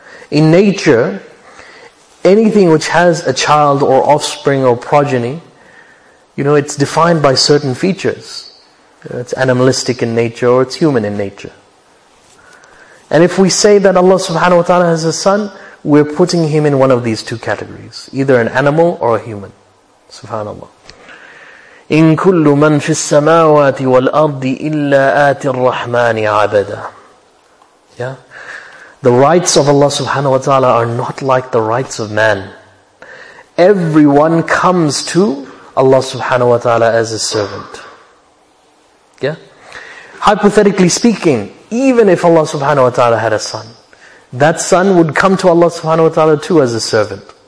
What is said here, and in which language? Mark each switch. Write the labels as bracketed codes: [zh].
[en] In nature, anything which has a child or offspring or progeny, you know, it's defined by certain features. It's animalistic in nature or it's human in nature. And if we say that Allah subhanahu wa ta'ala has a son, we're putting him in one of these two categories, either an animal or a human. Subhanallah. [ar] إن كل من في السماوات والأرض إلا آت الرحمن عبدا. [en] Yeah? The rights of Allah subhanahu wa ta'ala are not like the rights of man. Everyone comes to Allah subhanahu wa ta'ala as a servant. Yeah? Hypothetically speaking, even if Allah subhanahu wa ta'ala had a son, that son would come to Allah subhanahu wa ta'ala too as a servant.